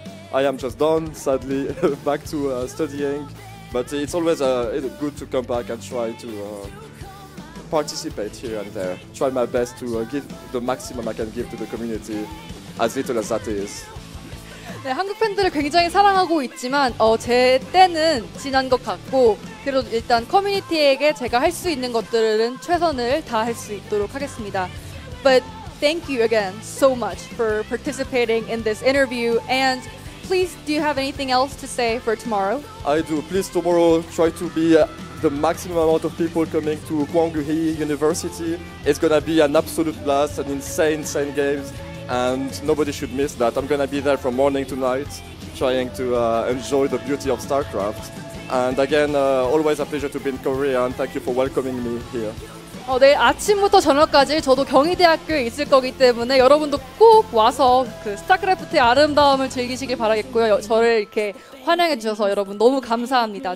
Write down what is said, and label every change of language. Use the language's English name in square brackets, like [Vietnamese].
[English] I am just done, sadly, back to studying. But it's always good to come back and try to participate here and there. Try my best to give the maximum I can give to the community, as little as that is. [Korean] 네, 한국 팬들을 굉장히 사랑하고 있지만 제 때는 지난 것 같고 그래도 일단 커뮤니티에게 제가 할 수 있는 것들은 최선을 다할 수 있도록 하겠습니다. [English] But thank you again so much for participating in this interview. And please, do you have anything else to say for tomorrow? I do. Please, tomorrow, try to be the maximum amount of people coming to Gwanghae University. It's going to be an absolute blast, an insane games. And nobody should miss that. I'm going to be there from morning to night, trying to enjoy the beauty of StarCraft. And again, always a pleasure to be in Korea, and thank you for welcoming me here. [Korean] 내일 아침부터 저녁까지 저도 경희대학교에 있을 거기 때문에 여러분도 꼭 와서 그 스타크래프트의 아름다움을 즐기시길 바라겠고요. 저를 이렇게 환영해 주셔서 여러분 너무 감사합니다.